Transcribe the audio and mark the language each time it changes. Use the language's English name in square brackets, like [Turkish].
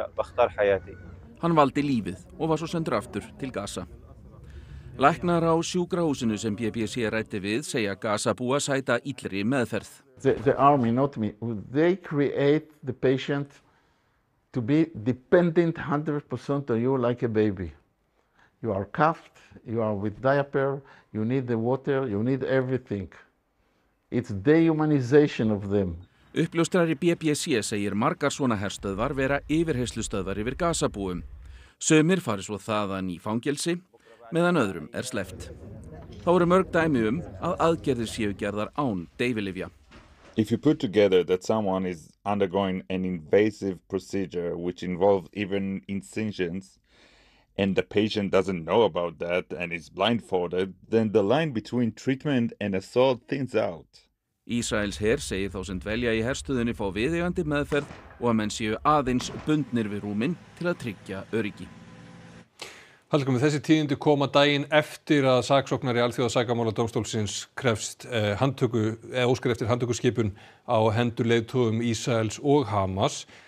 [Icelandic] Hann valdi lífið og var svo sendur aftur til Gaza. Læknar á sjúkrahúsinu sem BBC ræddi við segja Gaza búa sæta illri meðferð. [English] The army, not me, they create the patient to be dependent 100% on you like a baby. You are cuffed, you are with diaper, you need the water, you need everything. It's dehumanization of them. [Icelandic] Uppljóstrari BBC segir margar svona herstöðvar vera yfirheyrslustöðvar yfir Gaza-búum. Sumir fari svo þaðan í fangelsi, meðan öðrum er sleppt. Þá eru mörg dæmi að aðgerðir séu gerðar án deyfilyfja. [English] If you put together that someone is undergoing an invasive procedure which involves even incisions and the patient doesn't know about that and is blindfolded, then the line between treatment and assault thins out. [Icelandic] Ísraels her segir þá sem dvelja í herstuðinni fá viðeigandi meðferð og að menn séu aðeins bundnir við rúminn til að tryggja öryggi. Hallgrímur, þessi tíðindi koma daginn eftir að saksóknari Alþjóðasakamáladómstólsins krefst óskar eftir handtökuskipun á hendur leiðtogum Ísraels og Hamas.